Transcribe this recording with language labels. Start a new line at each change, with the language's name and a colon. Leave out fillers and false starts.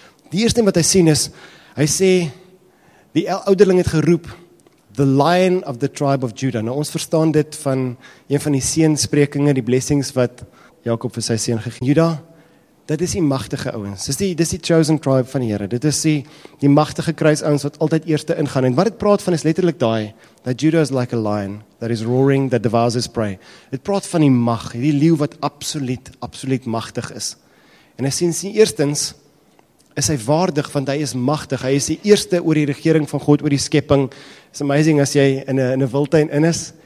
Afrikaans: Die eerste ding wat hy sien is, hy sê die ouderling het geroep
English: the lion of the tribe of Judah.
Afrikaans: Nou ons verstaan dit van een van die seënsprekinge, die blessings wat Jakob vir sy seun gegee het. Judah, dit is die magtige ouens. Dis die
English: chosen tribe
Afrikaans: van die Here. Dit is die magtige kruisouens wat altyd eerste ingaan. En wat dit praat van is letterlik daai
English: that Judah is like a lion that is roaring that devours his prey.
Afrikaans: Dit praat van die mag, hierdie leeu wat absoluut magtig is. En as sien eerstens is hy waardig, want hy is magtig. Hy is die eerste oor die regering van God, oor die skepping.
English: It's amazing
Afrikaans: as jy in 'n wildtuin in is.